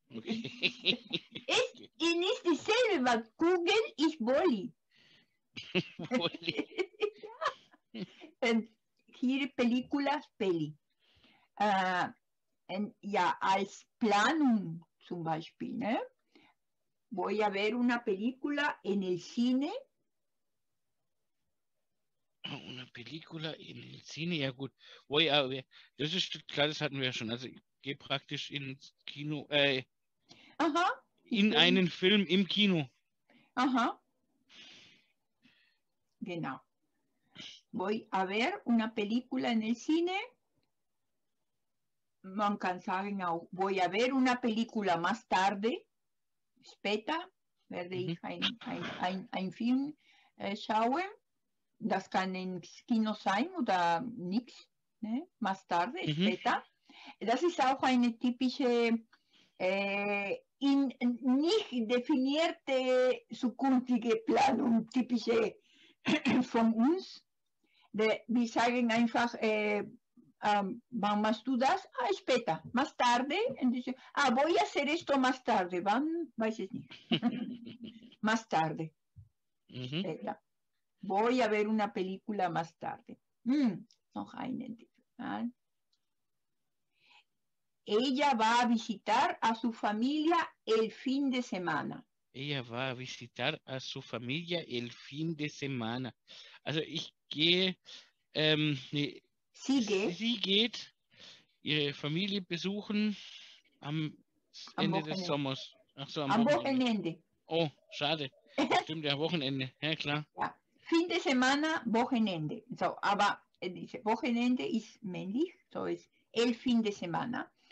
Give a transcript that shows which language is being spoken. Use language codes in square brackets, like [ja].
[de] Es ist nicht dieselbe, weil Kugel ist Boli. [es] Boli. [de] Ja. Und hier película, peli. Ja, als Planung zum Beispiel, ne? [es] Voy a ver una película en el cine. Una película en el cine, [de] ja gut. [es] Voy a ver. [de] Das ist klar, das hatten wir ja schon. Also ich gehe praktisch ins Kino. Aha. In einen Film im Kino. Aha. Genau. [es] Voy a ver una película en el cine. [de] Man kann sagen auch, [es] voy a ver una película más tarde. [de] Später werde ich ein Film schauen. Das kann ins Kino sein oder nichts. Ne? Más tarde, später. Das ist auch eine typische, nicht definierte, zukünftige Planung, typische von uns. Wir sagen einfach, wann machst du das? Ah, später, más tarde. [es] Entonces, ah, voy a hacer esto más tarde. [de] Wann? Weiß ich nicht. [es] Más tarde. [de] Später. [es] Voy a ver una película más tarde. [de] Noch eine. [es] Ella va a visitar a su familia el fin de semana. Ella va a visitar a su familia el fin de semana. [de] Also, ich gehe... Sie geht ihre Familie besuchen am Ende des Sommers. Ach so, am Wochenende. Oh, schade. Stimmt, ja, Wochenende. Ja, klar. Ja. Fin de semana, Wochenende. So, aber diese Wochenende ist männlich. So ist el fin de semana.